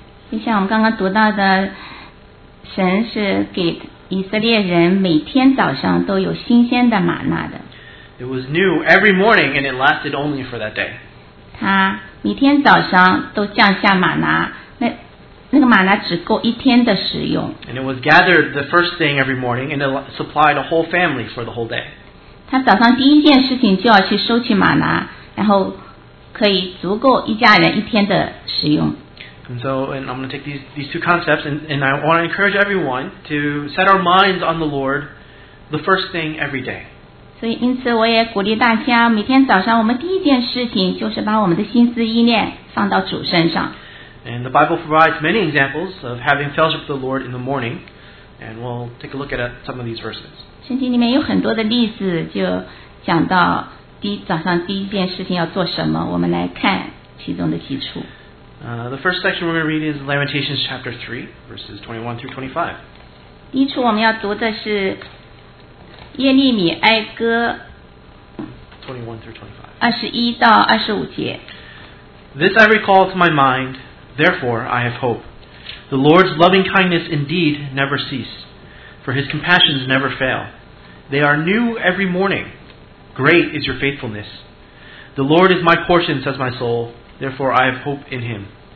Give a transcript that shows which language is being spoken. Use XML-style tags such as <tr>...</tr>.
<zh>就像我们刚刚读到的，神是给以色列人每天早上都有新鲜的玛纳的。</zh> <en>It was new every morning and it lasted only for that day.</en> <zh>他每天早上都降下玛纳。</zh> <en>And it was gathered the first thing every morning and it supplied a whole family for the whole day.</en> <zh>他早上第一件事情就要去收取玛拿, 然后可以足够一家人一天的使用。</zh> <en>And so, and I'm going to take these two concepts and I want to encourage everyone to set our minds on the Lord the first thing every day.</en> <zh>所以因此我也鼓励大家, 每天早上我们第一件事情就是把我们的心思意念放到主身上。</zh> <en>And the Bible provides many examples of having fellowship with the Lord in the morning. And we'll take a look at some of these verses.</en> <zh>圣经里面有很多的例子, 就讲到早上第一件事情要做什么, 我们来看其中的基础。</zh> <en>The first section we're going to read is Lamentations chapter 3, verses 21 through 25.</en> <zh>第一处我们要读的是 耶利米哀歌</zh> <en>21 through 25</en> <zh>21-25节</zh> <en>This I recall to my mind, therefore I have hope. The Lord's loving kindness indeed never cease, for His compassions never fail. They are new every morning. Great is Your faithfulness. The Lord is my portion, says my soul, therefore I have hope in Him.</en>